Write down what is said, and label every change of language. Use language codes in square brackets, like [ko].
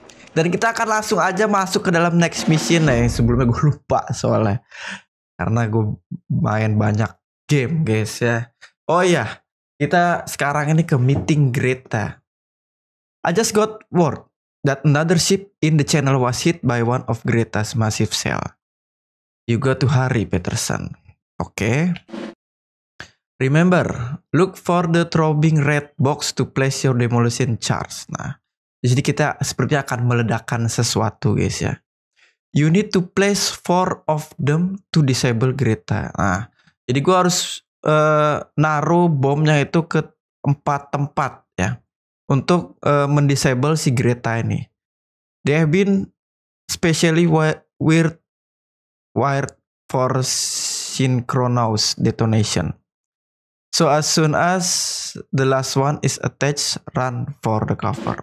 [id] Dan kita akan langsung aja masuk ke dalam next mission ya, yang sebelumnya gue lupa soalnya. Karena gue main banyak game guys ya. Oh iya, kita sekarang ini ke meeting Greta. [en] I just got word that another ship in the channel was hit by one of Greta's massive sail. You got to hurry, Peterson. Okay. Remember, look for the throbbing red box to place your demolition charge. [id] Nah, jadi kita sepertinya akan meledakkan sesuatu, guys ya. [en] You need to place four of them to disable Greta. [id] Nah, jadi gua harus naruh bomnya itu ke empat tempat ya, untuk mendisable si Greta ini. [en] They have been specially wired for synchronous detonation. So as soon as the last one is attached, run for the cover.